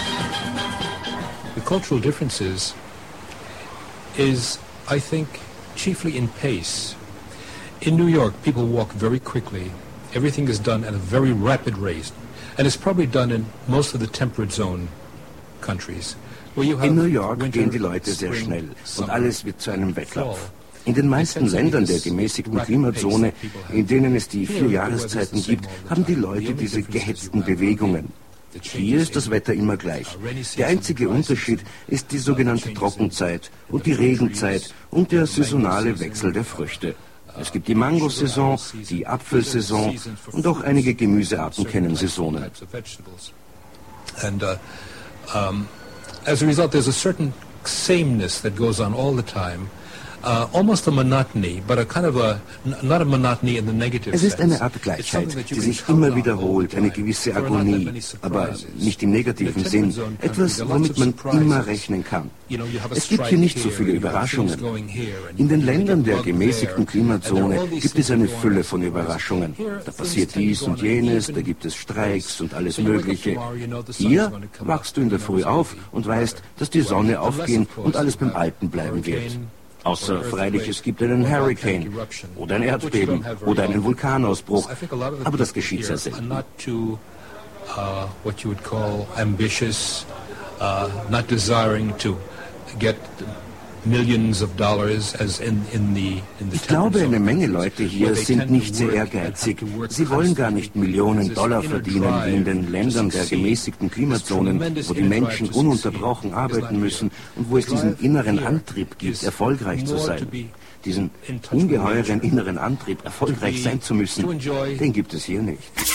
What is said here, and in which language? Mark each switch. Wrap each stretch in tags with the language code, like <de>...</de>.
<en>The cultural differences is, I think, chiefly in pace. In New York, people walk very quickly. Everything is done at a very rapid rate. And it's probably done in most of the temperate zone countries.</en> <de>In New York gehen die Leute sehr schnell und alles wird zu einem Wettlauf. In den meisten Ländern der gemäßigten Klimazone, in denen es die vier Jahreszeiten gibt, haben die Leute diese gehetzten Bewegungen. Hier ist das Wetter immer gleich. Der einzige Unterschied ist die sogenannte Trockenzeit und die Regenzeit und der saisonale Wechsel der Früchte. Es gibt die Mangosaison, die Apfelsaison und auch einige Gemüsearten kennen Saisonen.</de> <en>As a result, there's a certain sameness that goes on all the time, almost a monotony, but a kind of a, not a monotony in the negative sense.</en> <de>Es ist eine Art Gleichheit, die sich immer wiederholt, eine gewisse Agonie, aber nicht im negativen Sinn, etwas, womit man immer rechnen kann. Es gibt hier nicht so viele Überraschungen. In den Ländern der gemäßigten Klimazone gibt es eine Fülle von Überraschungen. Da passiert dies und jenes, da gibt es Streiks und alles Mögliche. Hier wachst du in der Früh auf und weißt, dass die Sonne aufgehen und alles beim Alten bleiben wird. Außer freilich, es gibt einen Hurricane oder ein Erdbeben oder einen Vulkanausbruch. Aber das geschieht sehr selten.</de> <en>What you would call ambitious, not desiring to get millions of dollars as in the</en> <de>Ich glaube, eine Menge Leute hier sind nicht sehr ehrgeizig. Sie wollen gar nicht Millionen Dollar verdienen wie in den Ländern der gemäßigten Klimazonen, wo die Menschen ununterbrochen arbeiten müssen und wo es diesen inneren Antrieb gibt, erfolgreich zu sein. Diesen ungeheuren inneren Antrieb, erfolgreich sein zu müssen, den gibt es hier nicht.</de>